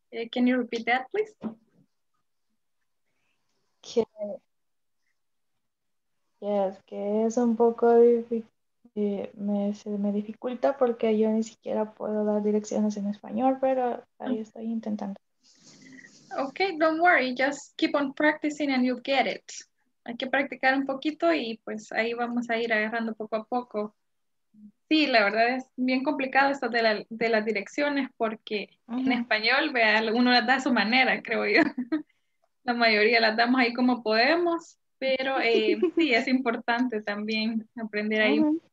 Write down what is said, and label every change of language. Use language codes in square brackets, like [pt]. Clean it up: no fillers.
[en] Can you repeat that, please? [es] Que, yes, que es un poco difícil. Se me dificulta porque yo ni siquiera puedo dar direcciones en español, pero ahí estoy intentando. [en] Okay, don't worry. Just keep on practicing and you'll get it. [es] Hay que practicar un poquito y pues ahí vamos a ir agarrando poco a poco. Sí, la verdad es bien complicado esto de las direcciones porque uh-huh. En español vea, uno las da a su manera, creo yo. La mayoría las damos ahí como podemos, pero sí, es importante también aprender ahí uh-huh.